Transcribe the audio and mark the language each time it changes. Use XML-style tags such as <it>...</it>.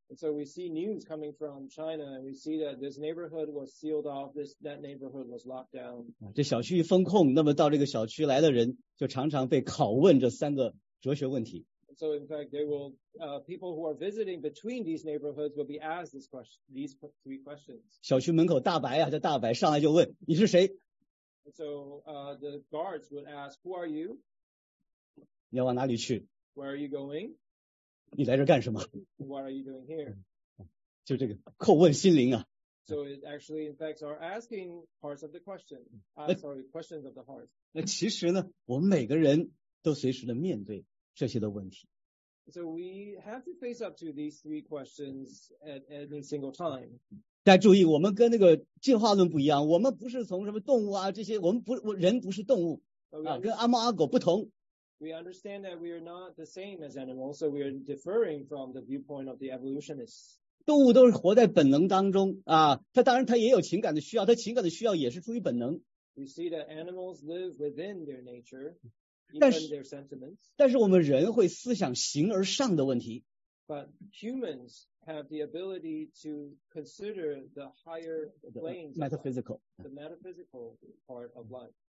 <en>And so we see news coming from China and we see that this neighborhood was sealed off, that neighborhood was locked down.</en> <zh>这小区封控, 那么到这个小区来的人就常常被拷问这三个哲学问题。</zh> <en>So in fact, they will, people who are visiting between these neighborhoods will be asked this question, these three questions.</en> <zh>小区门口大白啊, 叫大白, 上来就问, 你是谁?</zh> <en>So the guards would ask, who are you?</en> <zh>你要往哪里去?</zh> <en>Where are you going?</en> <zh>你来这干什么?</zh> <en>What are you doing here?</en> <zh>就这个叩问心灵啊。</zh> <en>So it actually infects our asking parts of the question. Questions of the heart.</en> <zh>那其实呢，我们每个人都随时的面对这些的问题。</zh> <en>So we have to face up to these three questions at any single time.</en> <zh>大家注意，我们跟那个进化论不一样，我们不是从什么动物啊这些，我们不人不是动物啊，跟阿猫阿狗不同。</zh> <en>We understand that we are not the same as animals, so we are differing from the viewpoint of the evolutionists.</en> <zh>动物都是活在本能当中啊，它当然它也有情感的需要，它情感的需要也是出于本能。</zh> <en>We see that animals live within their nature, even their sentiments.</en> <zh>但是我们人会思想形而上的问题。</zh> <en>But humans have the ability to consider the higher planes, the metaphysical part of life.</en>